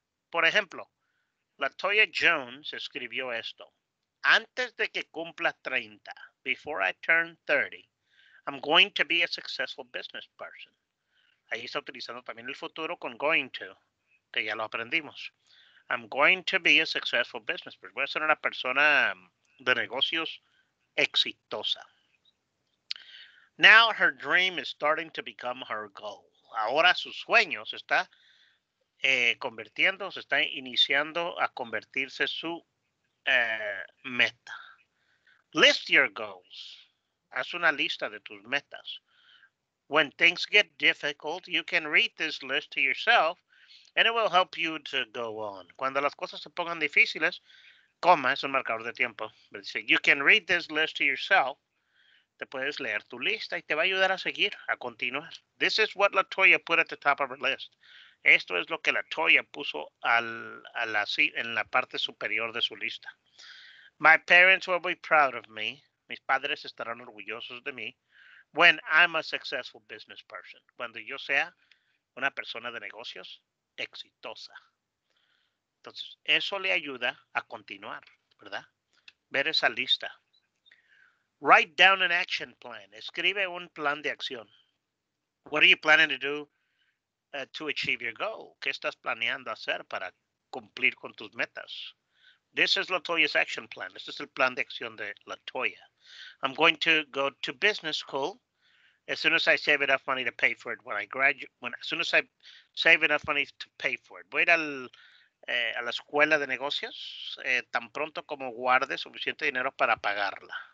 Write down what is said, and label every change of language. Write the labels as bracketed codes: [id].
[es] Por ejemplo, Latoya Jones escribió esto. Antes de que cumpla 30, [en] before I turn 30, I'm going to be a successful business person. [es] Ahí está utilizando también el futuro con going to, que ya lo aprendimos. [en] I'm going to be a successful business person. [es] Voy a ser una persona de negocios exitosa. [en] Now her dream is starting to become her goal. [es] Ahora su sueño se está convirtiendo, se está iniciando a convertirse su meta. [en] List your goals. [es] Haz una lista de tus metas. [en] When things get difficult, you can read this list to yourself and it will help you to go on. [es] Cuando las cosas se pongan difíciles, coma, es un marcador de tiempo. [en] You can read this list to yourself. [es] Te puedes leer tu lista y te va a ayudar a seguir, a continuar. [en] This is what Latoya put at the top of her list. [es] Esto es lo que Latoya puso en la parte superior de su lista. [en] My parents will be proud of me. [es] Mis padres estarán orgullosos de mí. [en] When I'm a successful business person. [es] Cuando yo sea una persona de negocios exitosa. Entonces, eso le ayuda a continuar, ¿verdad? Ver esa lista. [en] Write down an action plan. [es] Escribe un plan de acción. [en] What are you planning to do to achieve your goal? [es] ¿Qué estás planeando hacer para cumplir con tus metas? [en] This is Latoya's action plan. [es] Este es el plan de acción de Latoya. [en] I'm going to go to business school as soon as I save enough money to pay for it when I graduate. As soon as I save enough money to pay for it. [es] Voy a ir a la escuela de negocios tan pronto como guarde suficiente dinero para pagarla.